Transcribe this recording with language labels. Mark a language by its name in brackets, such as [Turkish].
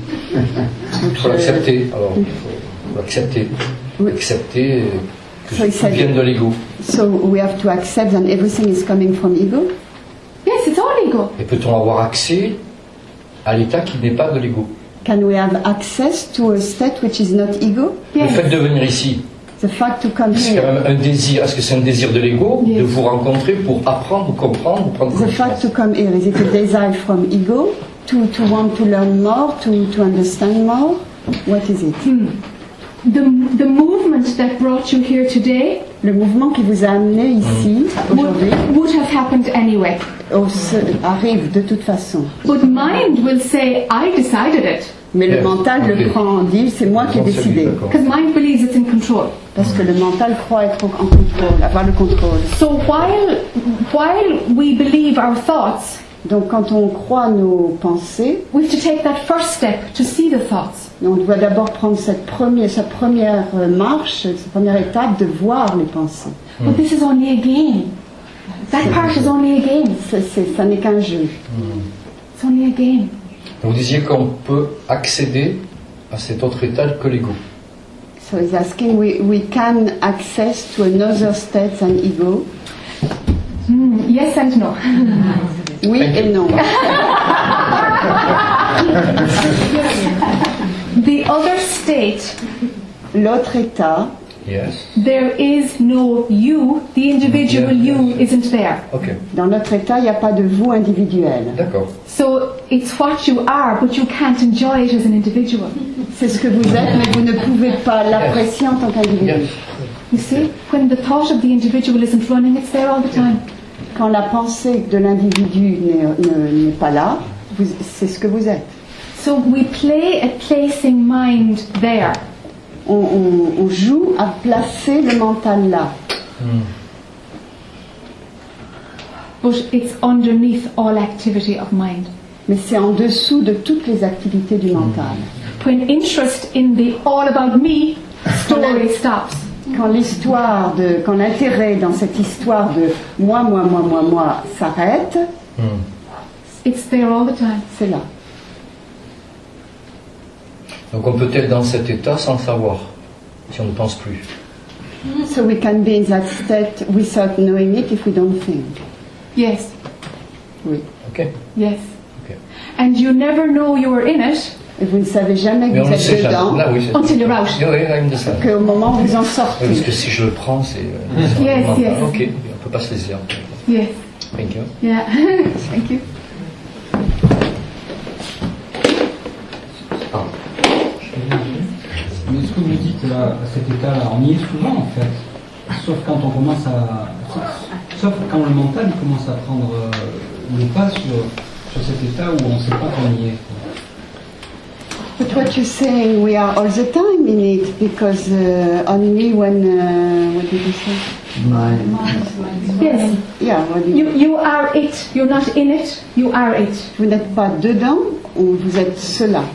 [French] Il faut l'accepter, alors il faut accepter. Accepter que ça vienne de l'ego. [English] So we have to accept that everything is coming from ego? Yes, it's all ego. [French] Et peut-on avoir accès à l'état qui n'est pas de l'ego? [English] Can we have access to a state which is not ego? Yes. [French] Le fait de venir ici. [English] The fact to come here. [French] C'est quand même un désir. Est-ce que c'est un désir de l'ego? [English] Yes. [French] De vous rencontrer pour apprendre, comprendre, prendre [English] conscience. The fact to come here, is it a desire from ego? To want to learn more, to understand more? What is it? Hmm. The movement that brought you here today. [French] Le mouvement qui vous a amené ici aujourd'hui. [English] Would have happened anyway. [French] Arrive de toute façon. [English] But mind will say, I decided it. [French] Mais yes. Le mental okay. Le prend en dit, c'est moi qui ai décidé. [English] Because mind believes it's in control. [French] Parce que le mental croit être en contrôle, avoir le contrôle. [English] So while we believe our thoughts. [French] Donc quand on croit nos pensées. [English] We have to take that first step to see the thoughts. [French] On doit d'abord prendre cette première marche, cette première étape de voir les pensées. [English] But this is only a game. That part is only a game. [French] Ça n'est qu'un jeu. [English] It's only a game. [French] Vous disiez qu'on peut accéder à cet autre état que l'ego. [English] So he's asking we can access to another state than ego. Yes and no. [French] Oui et non. [English] The other state. [French] L'autre état. [English] Yes. There is no you. The individual you isn't there. Okay. [French] Dans notre état, il n'y a pas de vous individuel. D'accord. [English] So it's what you are, but you can't enjoy it as an individual. [French] C'est ce que vous êtes, mais vous ne pouvez pas l'apprécier en tant qu'individu. [English] Yes. You see, when the thought of the individual isn't running, it's there all the time. [French] Quand la pensée de l'individu n'est pas là, c'est ce que vous êtes. [English] So we play a placing mind there. [French] On joue à placer le mental là. [English] But it's underneath all activity of mind. [French] Mais c'est en dessous de toutes les activités du mental. [English] When interest in the all about me story stops. [French] Quand l'intérêt dans cette histoire de moi s'arrête. [English] It's there all the time. [French] C'est là. Donc on peut être dans cet état sans le savoir, si on ne pense plus. [English] So we can be in that state without knowing it if we don't think. Yes. [French] Oui. [English] Okay. Yes. Okay. And you never know you are in it. [French] Et vous ne savez jamais que mais vous êtes dedans. Là, oui, [English] until you're out. [French] Que au moment où vous en sortez. Oui, parce que si je le prends, c'est. [English] Yes, moment. Yes. [French] Okay. On ne peut pas se saisir. [English] Yes. Thank you. Yeah. Thank you. [French] Ce que vous dites là, à cet état-là, on y est souvent en fait, sauf quand on commence à. Sauf quand le mental commence à prendre le pas sur cet état où on ne sait pas qu'on y est. [English] But what you're saying, we are all the time in it, because only when. What did you say? Mind. Yes. Yeah, what do you mean? You are it, you're not in it, you are it. [French] Vous n'êtes pas dedans, ou vous êtes cela.